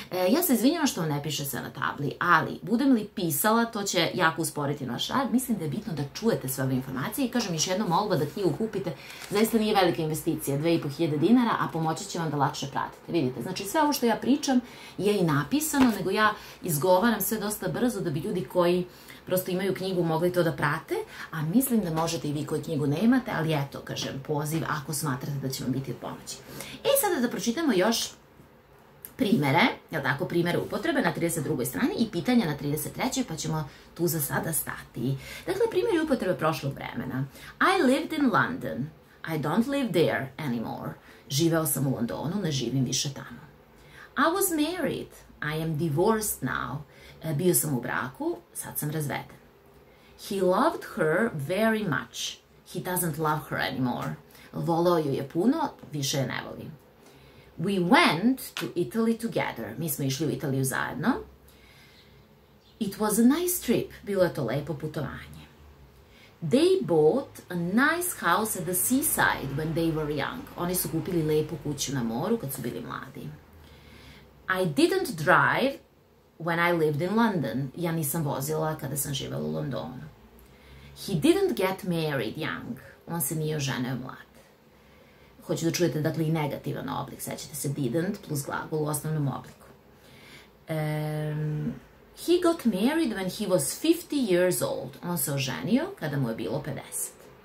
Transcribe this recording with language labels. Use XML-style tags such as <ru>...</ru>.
<sr>Ja se izvinjavam što vam ne piše sve na tabli, ali budem li pisala, to će jako usporiti naš rad, mislim da je bitno da čujete sve ove informacije i kažem još jedno molba da knjigu kupite, zaista nije velika investicija, 2.500 dinara, a pomoći će vam da lakše pratite, vidite, znači sve ovo što ja pričam je i napisano, nego ja izgovaram, govaram sve dosta brzo da bi ljudi koji prosto imaju knjigu mogli to da prate, a mislim da možete i vi koji knjigu nemate, ali eto, kažem, poziv ako smatrate da će vam biti od pomoći. E sada da pročitamo još primere, jel tako, primere upotrebe na 32. strani i pitanja na 33. pa ćemo tu za sada stati. Dakle, primjer upotrebe prošlog vremena.</sr> <en>I lived in London. I don't live there anymore.</en> <sr>Živeo sam u Londonu, ne živim više tamo.</sr> <en>I was married. I am divorced now.</en> <sr>Bio sam u braku, sad sam razveden.</sr> <en>He loved her very much. He doesn't love her anymore.</en> <sr>Voleo ju je puno, više je ne voli.</sr> <en>We went to Italy together.</en> <sr>Mi smo išli u Italiju zajedno.</sr> <en>It was a nice trip.</en> <sr>Bilo je to lepo putovanje.</sr> <en>They bought a nice house at the seaside when they were young.</en> <sr>Oni su kupili lepu kuću na moru kad su bili mladi.</sr> <en>I didn't drive when I lived in London.</en> <sr>Ja nisam vozila kada sam živela u Londonu.</sr> <en>He didn't get married young.</en> <sr>On se nije oženio mlad. Hoću da čujete, dakle, i negativan oblik. Sećate se didn't plus glagol u osnovnom obliku.</sr> <en>He got married when he was 50 years old.</en> <sr>On se oženio kada mu je bilo 50.</sr>